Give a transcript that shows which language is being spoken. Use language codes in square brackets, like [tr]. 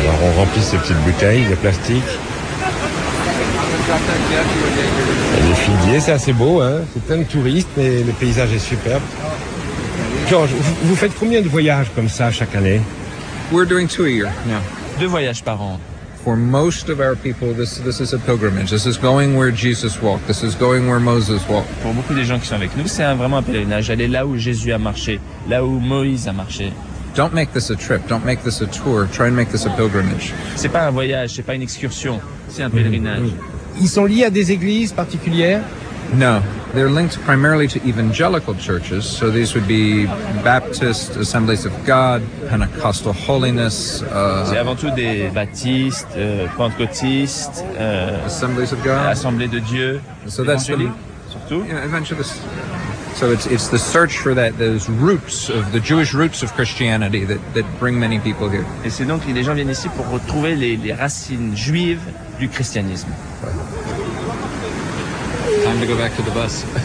[fr] Alors on remplit ces petites bouteilles de plastique. Et les figuiers, c'est assez beau, hein. C'est plein de touristes, mais le paysage est superbe. George, vous faites combien de voyages comme ça chaque année? [en] We're doing two a year now. [fr] Deux voyages par an. [en] For most of our people, this is a pilgrimage. This is going where Jesus walked. This is going where Moses walked. [fr] Pour beaucoup des gens qui sont avec nous, c'est vraiment un pèlerinage. Aller là où Jésus a marché, là où Moïse a marché. [en] Don't make this a trip. Don't make this a tour. Try and make this a pilgrimage. [fr] C'est pas un voyage, c'est pas une excursion. C'est un pèlerinage. Ils sont liés à des églises particulières? [en] No, they're linked primarily to evangelical churches. So these would be Baptist Assemblies of God, Pentecostal Holiness. [fr] C'est avant tout des baptistes, pentecôtistes, [en] Assemblies of God, [fr] Assemblées de Dieu. [en] So that's the [fr] surtout. [en] Yeah, evangelists. So it's the search for that, those roots of the Jewish roots of Christianity that bring many people here. [fr] Et c'est donc les gens viennent ici pour retrouver les racines juives du christianisme. [en] Time to go back to the bus.